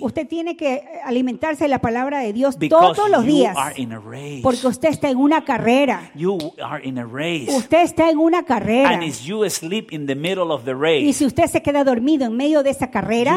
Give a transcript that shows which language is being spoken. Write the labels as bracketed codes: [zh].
[es] Usted tiene que alimentarse de la palabra de Dios [en] because [es] todos los días. [en] You are in a race. [es] Porque usted está en una carrera. [en] You are in a race. [es] Usted está en una carrera. [en] And if you sleep in the middle of the race, [es] y si usted se queda dormido en medio de esa carrera,